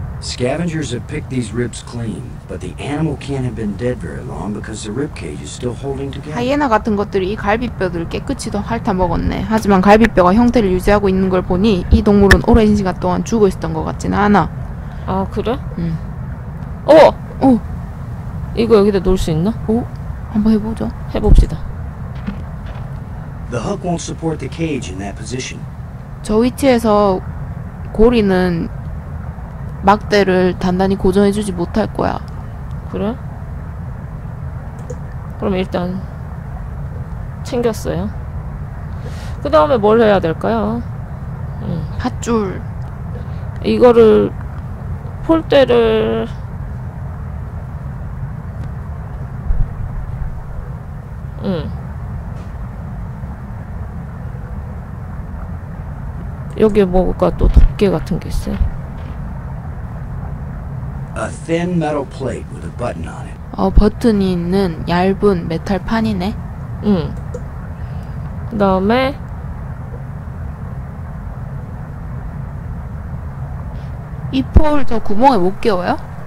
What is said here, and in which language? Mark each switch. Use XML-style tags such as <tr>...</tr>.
<en>Scavengers have picked these ribs clean, but the animal can't have been dead very long because the rib cage is still holding together.</en> <ko>하이에나 같은 것들이 이 갈비뼈들을 깨끗이도 핥아먹었네. 하지만 갈비뼈가 형태를 유지하고 있는 걸 보니 이 동물은 오랜 시간 동안 죽어 있었던 것 같지는 않아. 아, 그래? 응. 어! 어! 이거 여기다 놓을 수 있나? 어? 한번 해보죠. 해봅시다.</ko> <en>The hook won't support the cage in that position.</en> <ko>저 위치에서 고리는 막대를 단단히 고정해주지 못할 거야. 그래? 그럼 일단 챙겼어요. 그 다음에 뭘 해야 될까요? 팥줄. 이거를 폴대를 여기에 뭐가 또 덮개 같은 게 있어요.</ko> <en>A thin metal plate with a button on it.</en> <ko>어, 버튼이 있는 얇은 메탈 판이네. 응. 그다음에 이 폴 저 구멍에 못 끼워요?</ko>